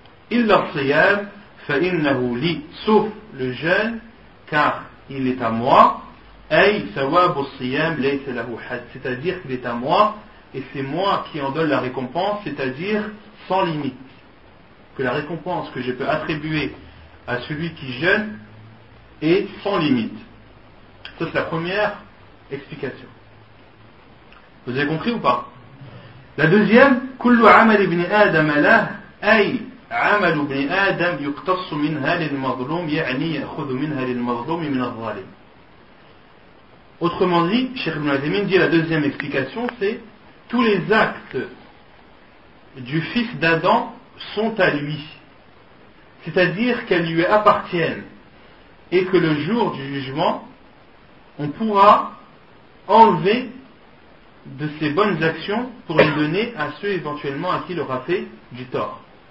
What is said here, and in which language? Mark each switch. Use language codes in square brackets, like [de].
[ar] Illa siyam fa innahu li, [fr] sauf le jeûne, car il est à moi, [ar] ay thawabu siyam laysa lahu had, [fr] c'est-à-dire qu'il est à moi, et c'est moi qui en donne la récompense, c'est-à-dire sans limite. Que la récompense que je peux attribuer à celui qui jeûne est sans limite. Ça, c'est la première explication. Vous avez compris ou pas? La deuxième, [ar] كل عمل ابن آدم له أي عمل ابن آدم يقتص منها للمظلوم يعني يأخذ منها للمظلوم من الظالم. [fr] Autrement dit, Cheikh Ibn Azimine dit la deuxième explication, c'est tous les actes du fils d'Adam sont à lui. C'est-à-dire qu'elles lui appartiennent et que le jour du jugement, on pourra enlever de ses bonnes actions pour les donner à ceux éventuellement à qui il aura fait du tort.